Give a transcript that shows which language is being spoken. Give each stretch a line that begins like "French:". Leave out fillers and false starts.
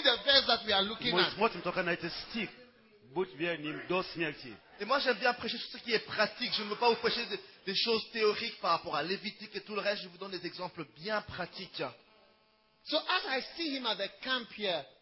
Russian: Мы смотрим только на этот стих. Будь верным до смерти.
French: Et moi j'aime bien prêcher sur ce qui est pratique. Je ne veux pas vous prêcher des choses théoriques par rapport à Lévitique et tout le reste. Je vous donne des exemples bien pratiques.
English: So as I see him at the camp here.